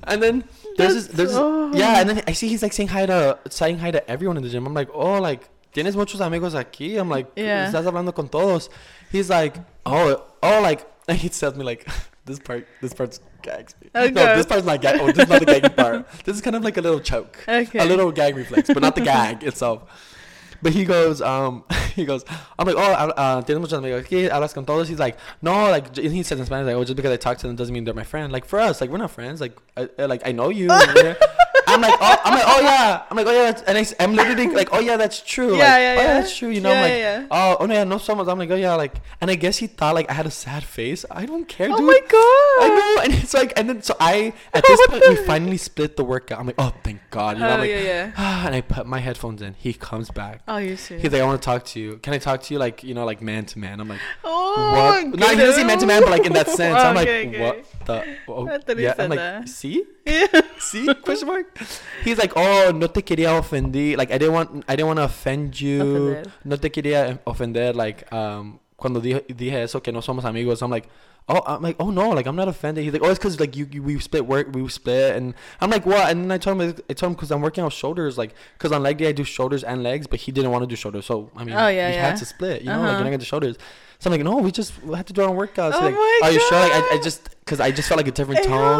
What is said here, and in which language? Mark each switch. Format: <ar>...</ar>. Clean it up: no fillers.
<en>And then there's and then I see he's like saying hi to everyone in the gym. I'm like, oh, like,</en> <es>tienes muchos amigos aquí.</es> <en>I'm like,</en> <es>estás hablando con todos.</es> <en>He's like, oh, like, and he tells me like, this part's gags me. Okay. No, this part's not gag. Oh, this is not the gag part. This is kind of like a little choke, okay. A little gag reflex, but not the gag itself. But he goes, I'm like, oh,</en> <es>tienes muchos amigos aquí, hablas con todos.</es> <en>He's like, no, like, and he says in Spanish, like, oh, just because I talk to them doesn't mean they're my friend. Like, for us, like, we're not friends. Like, I know you. I'm like, oh yeah. And I'm literally like, oh yeah, that's true. Yeah, that's true. You know, I'm like, oh no, someone's. I'm like, oh yeah, like, and I guess he thought like I had a sad face. I don't care, dude. Oh my god. I know. And it's like, and then so I at this point we finally split the workout. I'm like, oh thank god. You know, I'm like, yeah. And I put my headphones in. He comes back. Oh, you see. He's like, I want to talk to you. Can I talk to you? Like, you know, like man to man. I'm like, oh, what? No, he doesn't say man to man, but like in that sense. Okay, I'm like, okay. What? I'm like, see? See? Question mark? He's like, oh,</en> <es>no te quería ofender.</es> <en>Like, I didn't want to offend you. Offended.</en> <es>No te quería ofender.</es> <en>Like,</en> <es>cuando dije eso, que no somos amigos.</es> <en>I'm like, oh no. Like, I'm not offended. He's like, oh, it's because, like, we split. And I'm like, what? And then I told him because I'm working on shoulders. Like, because on leg day, I do shoulders and legs. But he didn't want to do shoulders. So, I mean, we had to split. You know, like, you're not going to do shoulders. So I'm like, no, we just had to do our own workouts. Oh, like, my are God. You sure? Like, I just felt like a different tone.</en>